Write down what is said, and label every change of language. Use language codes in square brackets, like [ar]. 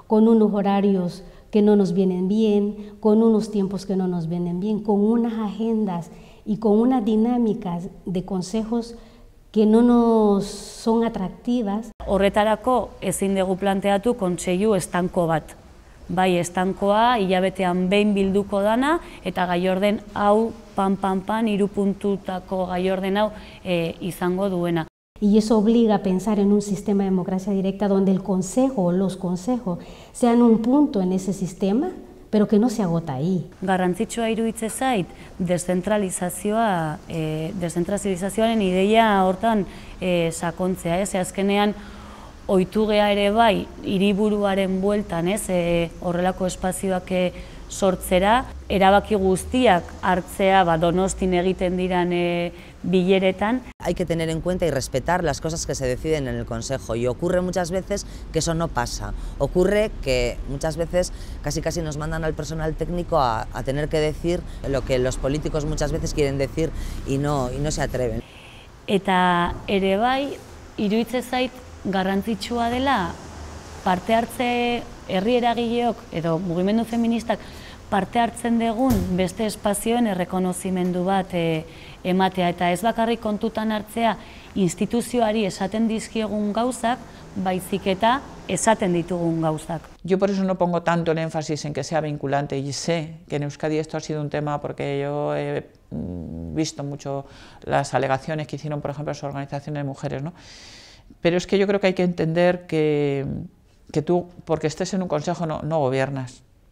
[es] Con unos horarios que no nos vienen bien, con unos tiempos que no nos vienen bien, con unas agendas y con unas dinámicas de consejos que no nos son atractivas. [eu] Horretarako ezin dugu planteatu kontseilu estanko bat. Bai, estankoa, hilabetean behin bilduko dana, eta gaiorden hau, pan, hiru puntutako gaiorden hau izango duena. [es] Y eso obliga a pensar en un sistema de democracia directa donde el consejo o los consejos sean un punto en ese sistema, pero que no se agota ahí. [eu] Garrantzitsua iruditze zait, descentralizazioa, descentralizazioaren ideia hortan sakontzea, ez? Azkenean, ohitu gea ere bai, hiriburuaren bueltan, ez? Horrelako espazioak sortzera, erabaki guztiak hartzea ba, Donostin egiten diran bileretan. [es] Hay que tener en cuenta y respetar las cosas que se deciden en el Consejo y ocurre muchas veces que eso no pasa. Ocurre que muchas veces casi nos mandan al personal técnico a tener que decir lo que los políticos muchas veces quieren decir y no se atreven. [eu] Eta ere bai, iruitze zait garrantzitsua dela parte hartze herri eragileok edo mugimendu feministak parte hartzen degun beste espazioen errekonozimendu bat ematea eta ez bakarrik kontutan hartzea instituzioari esaten dizkiegun gauzak, baizik eta esaten ditugun gauzak. [es] Yo por eso no pongo tanto el énfasis en que sea vinculante y sé que en Euskadi esto ha sido un tema porque yo he visto mucho las alegaciones que hicieron, por ejemplo, las organizaciones de mujeres, ¿no? Pero es que yo creo que hay que entender que tú, porque estés en un consejo, no gobiernas.